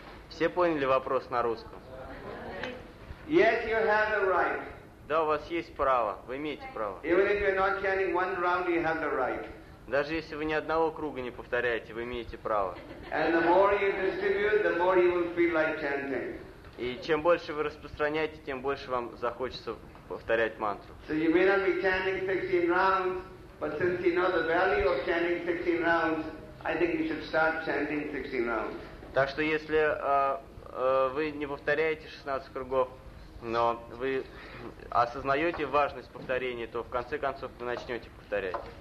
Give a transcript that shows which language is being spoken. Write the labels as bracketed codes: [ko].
[ru] Все поняли вопрос на русском? [en] Yes, you have a right. [ru] Да, у вас есть право. Вы имеете право. [en] Even if you're not chanting one round, you have the right. [ru] Даже если вы ни одного круга не повторяете, вы имеете право. [en] And the more you distribute, the more you will feel like chanting. [ru] И чем больше вы распространяете, тем больше вам захочется повторять мантру. [en] So you may not be chanting 16 rounds, but since you know the value of chanting 16 rounds, I think you should start chanting 16 rounds. [ru] Так что если вы не повторяете 16 кругов, но вы осознаете важность повторения, то в конце концов вы начнете повторять.